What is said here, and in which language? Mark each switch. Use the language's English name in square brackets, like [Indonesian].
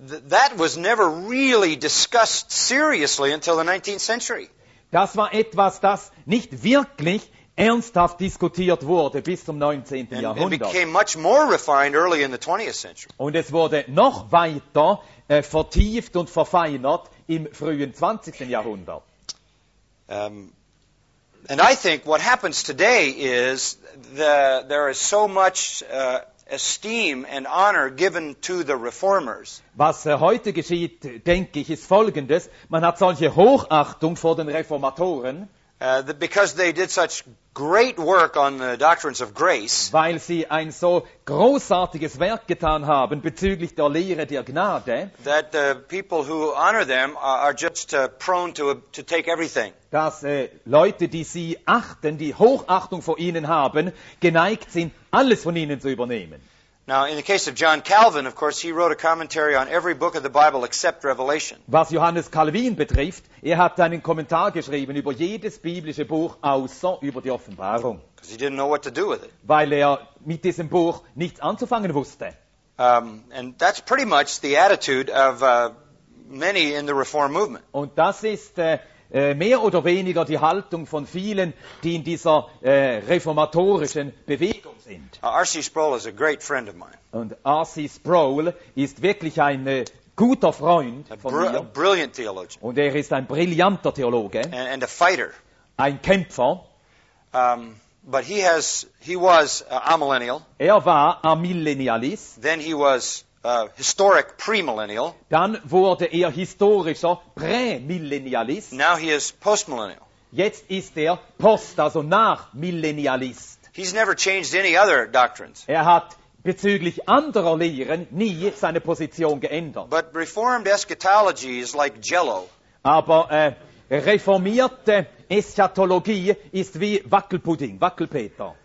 [English] That was never really discussed seriously until the 19th century. [German] Das war etwas, das nicht wirklich ernsthaft diskutiert wurde bis zum 19. Jahrhundert. [English] It became much more refined early in the 20th century. [German] Und es wurde noch weiter vertieft und verfeinert im frühen 20. Jahrhundert. [English] And I think what happens today is there is so much esteem and honor given to the reformers. [German] Was heute geschieht, denke ich, ist Folgendes: Man hat solche Hochachtung vor den Reformatoren, [English] because they did such great work on the doctrines of grace. [German] Weil sie ein so großartiges Werk getan haben bezüglich der Lehre der Gnade. [English] That the people who honor them are just prone to take everything. [German] Dass Leute, die sie achten, die Hochachtung vor ihnen haben, geneigt sind, alles von ihnen zu übernehmen. [English] Now, in the case of John Calvin, of course, he wrote a commentary on every book of the Bible except Revelation. [German] Was Johannes Calvin betrifft, hat einen Kommentar geschrieben über jedes biblische Buch außer über die Offenbarung. [English] Because he didn't know what to do with it. [German] Weil mit diesem Buch nichts anzufangen wusste. [English] And that's pretty much the attitude of many in the Reform movement. [German] Und das ist mehr oder weniger die Haltung von vielen, die in dieser reformatorischen Bewegung sind. [English] R.C. Sproul is a great friend of mine. [German] Und R.C. Sproul ist wirklich ein guter Freund von mir. [English] A brilliant theologian. [German] Und ist ein brillanter Theologe. [English] And a fighter. [German] Ein Kämpfer. [English] But he was amillennial. [German] War amillennialist. [English] Then he was historic premillennial. [German] Dann wurde historischer Prämillennialist. [English] Now he is postmillennial. [German] Jetzt ist post, also nachmillennialist. [English] He's never changed any other doctrines. [German] Hat bezüglich anderer Lehren nie seine Position geändert. [English] But reformed eschatology is like jello. [German] Aber reformierte Eschatologie ist wie Wackelpudding, Wackelpeter.